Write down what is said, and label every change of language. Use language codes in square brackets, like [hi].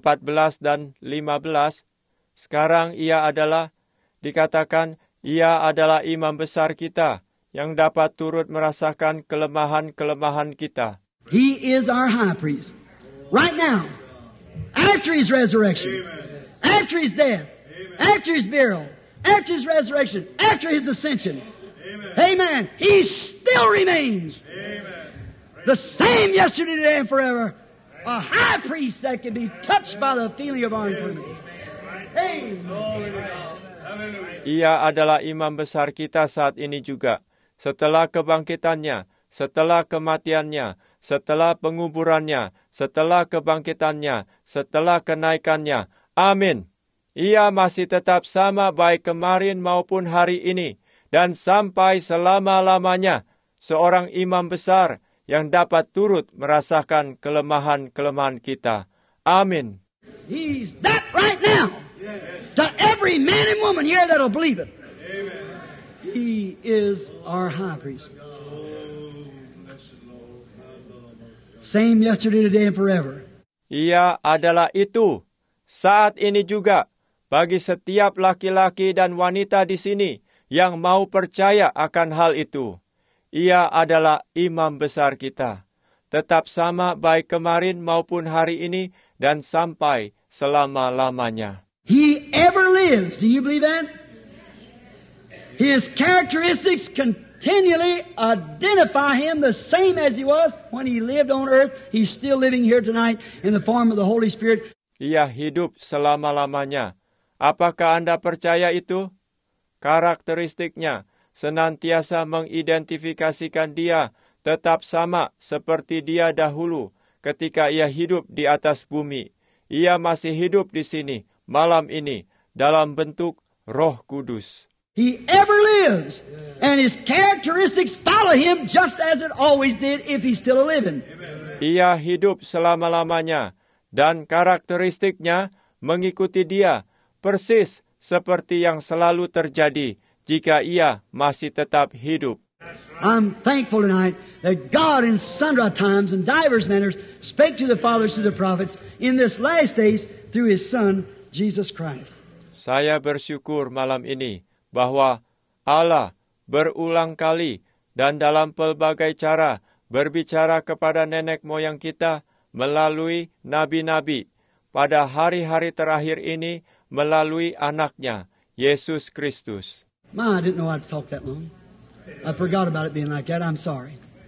[id] Ibrani 4:14-15, sekarang ia adalah, dikatakan, ia adalah imam besar kita yang dapat turut merasakan kelemahan-kelemahan kita. [en] He is our high priest. Right now, after his resurrection, Amen. After his death, Amen. After his burial, after his resurrection, after his ascension, Amen. Amen. He still remains Amen. The same yesterday, today, and forever, a high priest that can be touched by the feeling of our infirmity. Amen. [id] Ia adalah imam besar kita saat ini juga. Setelah kebangkitannya, setelah kematiannya, setelah penguburannya, setelah kebangkitannya, setelah kenaikannya. Amin. Ia masih tetap sama baik kemarin maupun hari ini, dan sampai selama-lamanya, seorang imam besar yang dapat turut merasakan kelemahan-kelemahan kita. Amin. [en] He's that right now. Yes. To every man and woman here that'll believe it. Amen. He is our high priest. Same yesterday, today, and forever. [id] Ia adalah itu. Saat ini juga, bagi setiap laki-laki dan wanita di sini yang mau percaya akan hal itu. Ia adalah imam besar kita. Tetap sama baik kemarin maupun hari ini dan sampai selama-lamanya. [en] He ever lives. Do you believe that? His characteristics continually identify him the same as he was when he lived on earth. He's still living here tonight in the form of the Holy Spirit. [id] Ia hidup selama-lamanya. Apakah Anda percaya itu? Karakteristiknya senantiasa mengidentifikasikan dia tetap sama seperti dia dahulu ketika ia hidup di atas bumi. Ia masih hidup di sini, malam ini, dalam bentuk Roh Kudus. [en] He ever lives, and his characteristics follow him just as it always did if he's still living. [id] Ia hidup selama-lamanya, dan karakteristiknya mengikuti dia persis seperti yang selalu terjadi jika ia masih tetap hidup. [en] I'm thankful tonight that God in sundry times and divers manners spake to the fathers through the prophets in this last days through his son Jesus Christ. [id] Saya bersyukur malam ini bahwa Allah berulang kali dan dalam pelbagai cara berbicara kepada nenek moyang kita melalui nabi-nabi pada hari-hari terakhir ini melalui anaknya, Yesus Kristus. [en] Ma, I didn't know I'd talk that long. I forgot about it being like that. I'm sorry.